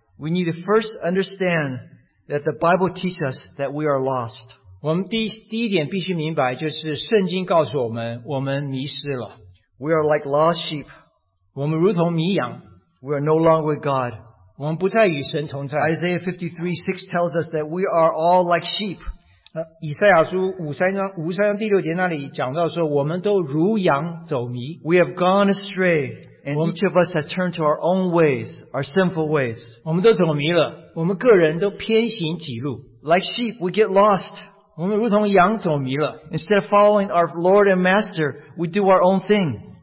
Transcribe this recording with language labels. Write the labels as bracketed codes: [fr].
[en] We need to first understand that the Bible teaches us that we are lost. [zh] 我们第一点必须明白，就是圣经告诉我们，我们迷失了。 [en] We are like lost sheep. [zh] 我们如同迷羊。 [en] We are no longer with God. [zh] 我们不再与神同在。Isaiah [en] 53:6 tells us that we are all like sheep. [zh] 以赛亚书53章第6节那里讲到说，我们都如羊走迷。 [en] We have gone astray, and each of us has turned to our own ways, our sinful ways. [zh] 我们都走迷了，我们个人都偏行己路。 [en] Like sheep, we get lost. [zh] 我们如同羊走迷了。 [en] Instead of following our Lord and Master, we do our own thing.